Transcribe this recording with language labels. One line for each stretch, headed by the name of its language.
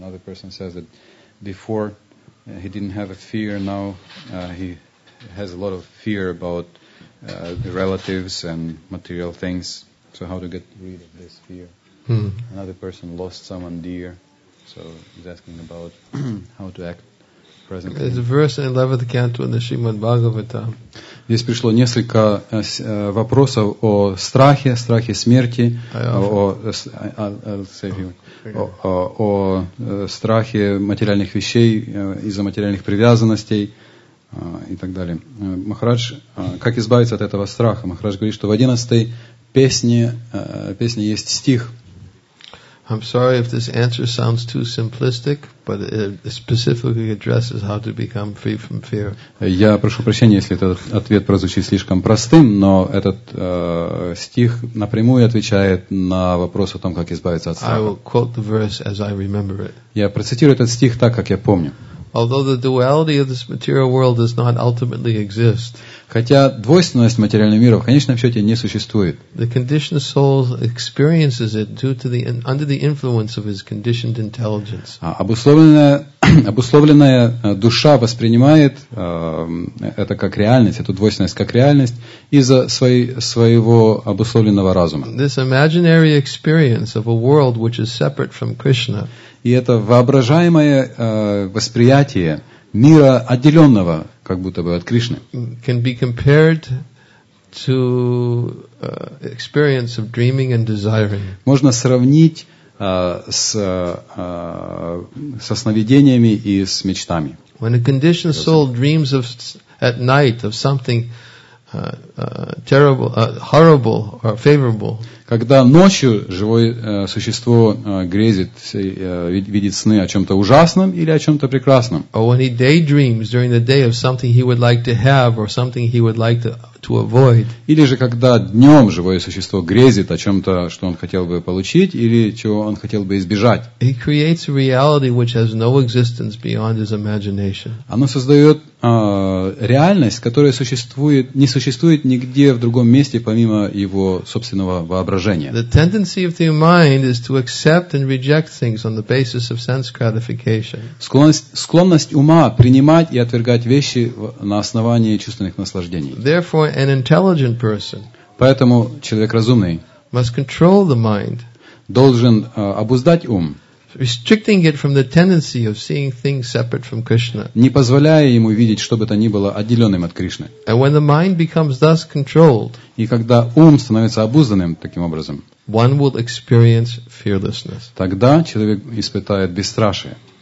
English: Another person says that before he didn't have a fear, now he has a lot of fear about the relatives and material things. So how to get rid of this fear? Hmm. Another person lost someone dear. So he's asking about how to act presently. There's a verse in 11th canto in the Srimad Bhagavatam.
Russian: Здесь пришло несколько вопросов о страхе, страхе смерти, о страхе материальных вещей из-за материальных привязанностей и так далее. Махарадж, как избавиться от этого страха? Махарадж говорит, что в 11-й песне есть стих.
English: I'm sorry if this answer sounds too simplistic, but it specifically addresses how to become free from fear.
Russian: Я прошу прощения, если этот ответ прозвучит слишком простым, но этот стих напрямую отвечает на вопрос о том, как избавиться от страха.
English: I will quote the verse as I remember it.
Russian: Я процитирую этот стих так, как я помню.
English: Although the duality of this material world does not ultimately exist.
Russian: Хотя двойственность материального мира в конечном счете не существует.
English: The conditioned soul experiences it due to the under the influence of his conditioned intelligence.
Russian: Обусловленная душа воспринимает это как реальность, эту двойственность как реальность из-за своего обусловленного разума.
English: This imaginary experience of a world which is separate from Krishna.
Russian: И это воображаемое восприятие мира отделенного, как будто бы, от Кришны.
English: Can be compared to experience of dreaming and desiring.
Russian: Можно сравнить со сновидениями и с мечтами.
English: When a conditioned soul dreams of at night of something terrible, horrible, or favorable.
Russian: Когда ночью живое существо грезит, видит сны о чем-то ужасном или о чем-то прекрасном.
English: Or when he daydreams during the day of something he would like to have or something he would like to avoid.
Russian: Или же когда днем живое существо грезит о чем-то, что он хотел бы получить или чего он хотел бы избежать.
English: He creates a reality which has no existence beyond his imagination.
Russian: Оно создает реальность, которая существует, не существует нигде в другом месте, помимо его собственного воображения.
English: The tendency of the mind is to accept and reject things on the basis of sense gratification.
Russian: Склонность ума принимать и отвергать вещи на основании чувственных наслаждений.
English: Therefore, an intelligent person
Russian: поэтому человек разумный
English: must control the mind,
Russian: должен обуздать ум.
English: Restricting it from the tendency of seeing things separate from Krishna.
Russian: Не позволяя ему видеть, что бы то ни было отделенным от Кришны.
English: And when the mind becomes thus controlled,
Russian: и когда ум становится обузданным таким образом,
English: one will experience fearlessness.
Russian: Тогда человек испытает бесстрашие.